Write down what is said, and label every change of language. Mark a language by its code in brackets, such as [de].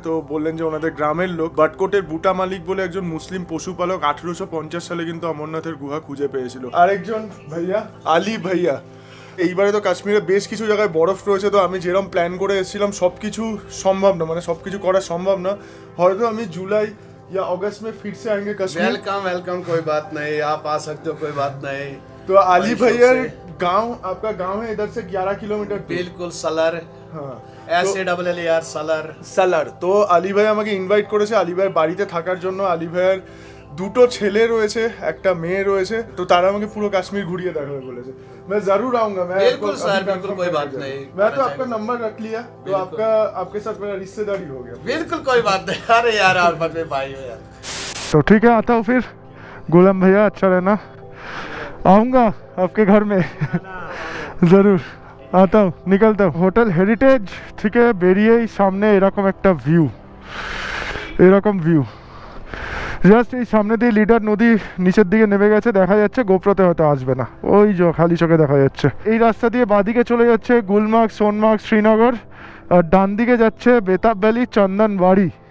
[bn] তো বললেন যে ওনাদের গ্রামের লোক, বাটকোটের বুটা মালিক বলে একজন মুসলিম পশুপালক 1850 সালে কিন্তু অমরনাথের গুহা খুঁজে পেয়েছিল। আরেকজন ভাইয়া আলী ভাইয়া, এইবারে তো কাশ্মীরে বেশ কিছু জায়গায় বরফ রয়েছে, তো আমি যেরকম প্ল্যান করে এসেছিলাম সব কিছু সম্ভব না, মানে সব কিছু করা সম্ভব না, হয়তো আমি জুলাই [hi] या अगस्त में फिर से आएंगे कश्मीर। वेलकम वेलकम, कोई बात नहीं, आप आ सकते हो, कोई बात नहीं। तो आली भैया गांव, आपका गांव है इधर से 11 किलोमीटर? बिल्कुल सलर। SALR सलर सलर। तो आली भैया [bn] আমাকে ইনভাইট করেছে আলী ভাইয়ের বাড়িতে থাকার জন্য। আলী ভাইয়ের দুটো ছেলে রয়েছে, একটা মেয়ে রয়েছে, তো তারা আমাকে পুরো কাশ্মীর ঘুরিয়ে দেখাবে বলেছে। [hi] मैं जरूर आऊंगा। मैं बिल्कुल सर, बिल्कुल कोई बात नहीं, मैं तो आपका नंबर रख लिया, तो आपका आपके साथ मेरा रिश्तेदारी हो गया। बिल्कुल कोई बात नहीं। अरे यार, और मत में भाई हो यार। तो ठीक है, आता हूं फिर गुलाम भैया, अच्छा रहना, आऊंगा आपके घर में जरूर, आता हूं, निकलता हूं। होटल हेरिटेज ठीक है, बेरिए सामने [bn] এরকম একটা ভিউ, এরকম ভিউ, জাস্ট এই সামনে দিয়ে লিডার নদী নিচের দিকে নেমে গেছে, দেখা যাচ্ছে গোপ্রতে হয়তো আসবে না, ওই যে খালি চোখে দেখা যাচ্ছে। এই রাস্তা দিয়ে বাঁদিকে চলে যাচ্ছে গুলমার্গ, সোনমার্গ, শ্রীনগর, আর ডান দিকে যাচ্ছে বেতাব ভ্যালি, চন্দনবাড়ি।